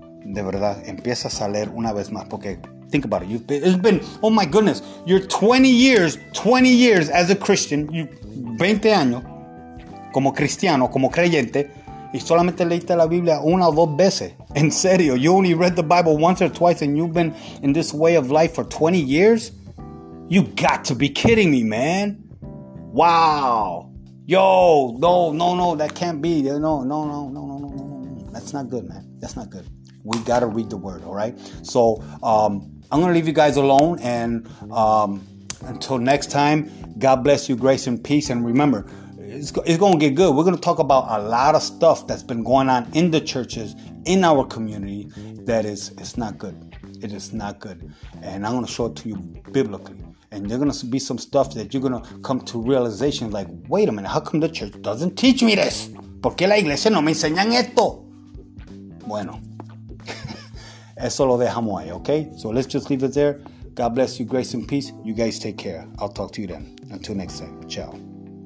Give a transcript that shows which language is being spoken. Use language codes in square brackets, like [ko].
[es] De verdad, empiezas a leer una vez más. [en] Porque, think about it. It's been, oh my goodness, you're 20 years as a Christian. [es] You 20 años como cristiano, como creyente. Y solamente leíste la Biblia una o dos veces. En serio, [en] you only read the Bible once or twice and you've been in this way of life for 20 years? You got to be kidding me, man. Wow. Yo, no, that can't be. No. That's not good, man. That's not good. We got to read the word, all right? So I'm going to leave you guys alone. And until next time, God bless you, grace and peace. And remember, it's going to get good. We're going to talk about a lot of stuff that's been going on in the churches, in our community, that is, it's not good. It is not good. And I'm going to show it to you biblically. And there's going to be some stuff that you're going to come to realization like, wait a minute, how come the church doesn't teach me this? [es] ¿Por qué la iglesia no me enseñan esto? Bueno, eso lo dejamos ahí, okay? [en] So let's just leave it there. God bless you, grace and peace. You guys take care. I'll talk to you then. Until next time. Ciao.